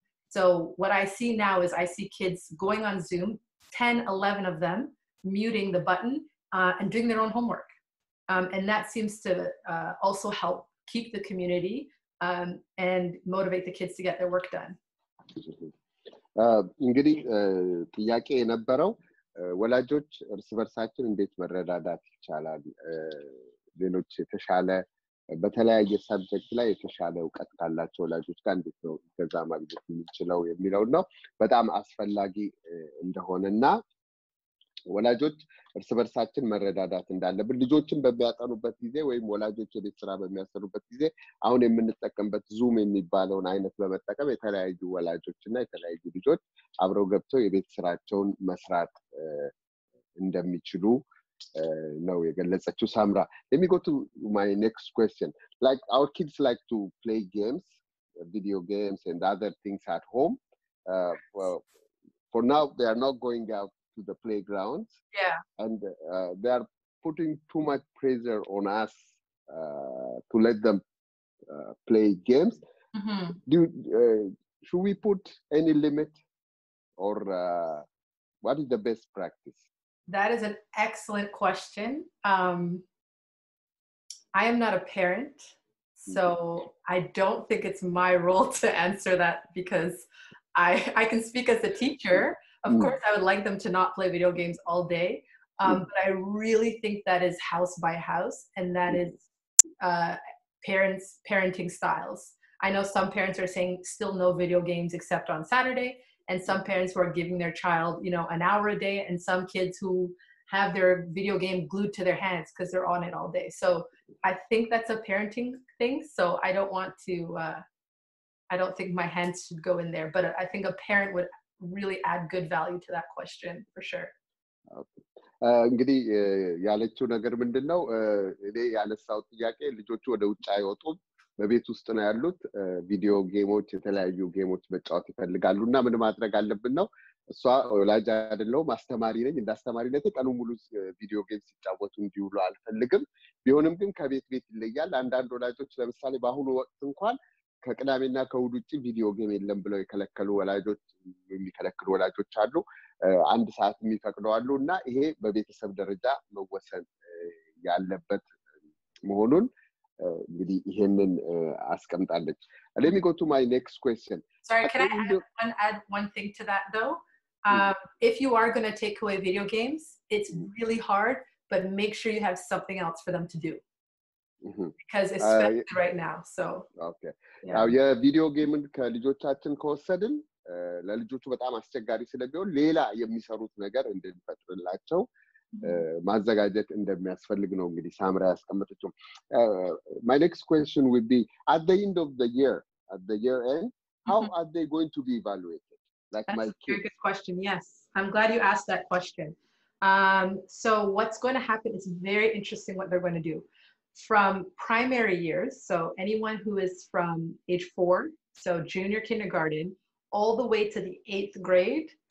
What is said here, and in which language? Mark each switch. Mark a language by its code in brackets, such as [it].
[en] So what I see now is I see kids going on Zoom, 10, 11 of them, muting the button and doing their own homework. And that seems to also help keep the community and motivate the kids to get their work done. [am] እንግዲህ ጥያቄ የነበረው ወላጆች እርስ በርሳችን እንዴት መረዳዳት ይቻላል ሌሎች የተሻለ በተለያየ ሳብጀክት ላይ የተሻለ እውቀት ካላቸው ወላጆች ጋር እንዴት ነው ከዛ ማግኘት የሚችለው የሚለው ነው በጣም አስፈላጊ እንደሆነና ወላጆች እርስ በርሳችን መረዳዳት እንዳለብን ልጆችን በሚያጠኑበት ጊዜ ወይም ወላጆች የቤት ስራ በሚያሰሩበት ጊዜ አሁን የምንጠቀምበት ዙም የሚባለውን አይነት በመጠቀም የተለያዩ ወላጆችና የተለያዩ ልጆች አብረው ገብተው የቤት ስራቸውን መስራት እንደሚችሉ ነው የገለጸችው [en] ሳምራ let me go to my next question like our kids like to play games video games and other things at home well for now they are not going out to the playground. Yeah. And they are putting too much pressure on us to let them play games. Mm-hmm. Should we put any limit or what is the best practice? That is an excellent question. I am not a parent, so mm-hmm. I don't think it's my role to answer that because I can speak as a teacher. Of course, I would like them to not play video games all day, but I really think that is house by house, and that is parenting styles. I know some parents are saying still no video games except on Saturday, and some parents who are giving their child, you know, an hour a day, and some kids who have their video game glued to their hands because they're on it all day. So I think that's a parenting thing, so I don't want to, I don't think my hands should go in there, but I think a parent would really add good value to that question for sure. [am] እንግዲ ያለችው ነገር ምንድነው እኔ ያለሳው ጥያቄ ልጆቹ ወደ ውጭ አይወጡ በቤት ውስጥ ነው ያሉት ቪዲዮ ጌሞች የተለያዩ ጌሞች መጫወት ይፈልጋሉና ምን ማድረግ አለብን ነው እሷ ወላጅ አይደለሁ ማስተማሪ ነኝ እንዳስተማሪነት ቀኑ ሙሉ ቪዲዮ ጌምስ ይጫወቱ እንዲውሉ አልፈልግም ቢሆንም ግን ከቤት ይለያል አንዳንድ ወላጆች ለምሳሌ ባሁን ወጥ እንኳን ከቅዳሜና ከእሁድ ውጪ ቪዲዮ ጌም የለም ብለው የከለከሉ ወላጆች የሚከለክሉ ወላጆች አሉ። አንድ ሰዓት የሚፈቅዱ አሉ እና ይሄ በቤተሰብ ደረጃ መወሰን ያለበት መሆኑን እንግዲህ ይሄንን አስቀምጣለች። [en] Let me go to my next question. Sorry, can I add one thing to that though? If you are going to take away video games, it's really hard, but make sure you have something else for them to do. Because especially right now, so. Okay. [am] አው የ ቪዲዮ ጌምን ከልጆቻችን ከወሰድን ለልጆቹ በጣም አስቸጋሪ ስለሚሆን ሌላ የሚሰሩት ነገር እንድንፈጥርላቸው ማዘጋጀት እንደሚያስፈልግ ነው እንግዲህ ሳምራ ያስቀመጠችው [en] my next question would be at the end of the year at the year end how mm-hmm. are they going to be evaluated like That's my kids. Very good question yes I'm glad you asked that question so what's going to happen is very interesting what they're going to do from primary years so anyone who is from age 4 so junior kindergarten all the way to the 8th grade